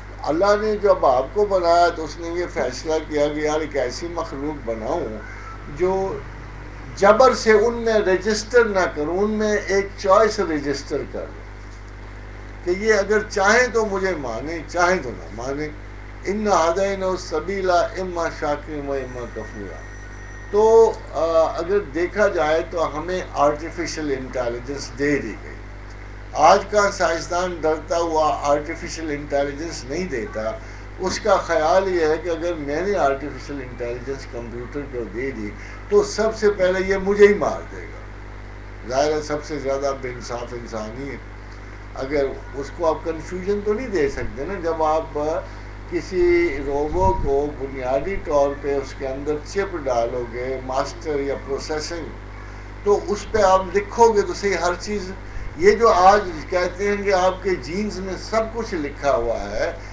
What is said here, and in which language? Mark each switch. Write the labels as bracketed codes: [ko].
[ur] اللہ نے جب آپ کو بنایا تو اس نے یہ فیصلہ کیا کہ یار ایک ایسی مخلوق بناؤں جو جبر سے ان میں رجسٹر نہ کروں, ان میں ایک چوائس رجسٹر کر لوں کہ یہ اگر چاہیں تو مجھے مانیں, چاہیں تو نہ مانیں. [ar] ان ہدینا سبیلا اما شاکر و اما کفورا. [ur] تو اگر دیکھا جائے تو ہمیں آرٹیفیشیل انٹیلیجنس دے دی گئی. آج کا سائنسدان ڈرتا ہوا آرٹیفیشیل انٹیلیجنس نہیں دیتا, اس کا خیال یہ ہے کہ اگر میں نے آرٹیفیشیل انٹیلیجنس کمپیوٹر کو دے دی تو سب سے پہلے یہ مجھے ہی مار دے گا. ظاہر ہے سب سے زیادہ بے انصاف انسان ہی ہے. اگر اس کو آپ کنفیوژن تو نہیں دے سکتے نا, جب آپ کسی روبو کو بنیادی طور پہ اس کے اندر چپ ڈالو گے, ماسٹر یا پروسیسنگ, تو اس پہ آپ لکھو گے تو صحیح ہر چیز. یہ جو آج کہتے ہیں کہ آپ کے جینز میں سب کچھ لکھا ہوا ہے,